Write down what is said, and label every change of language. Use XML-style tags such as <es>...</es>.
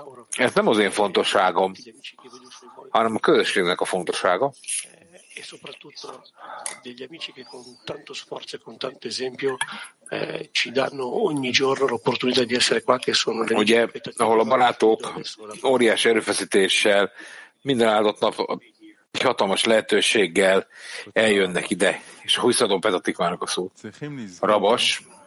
<hu>Ez nem az én fontosságom, hanem a közösségnek a fontossága.</hu> <it>E soprattutto degli amici che con tanto sforzo e con tanto esempio ci danno ogni giorno l'opportunità di essere qua, che sono degli</it> <hu>ugye, ahol a barátok óriási erőfeszítéssel, minden áldott nap egy hatalmas lehetőséggel eljönnek ide, és akkor visszaadom Petatikvának a szót. Rabas.</hu>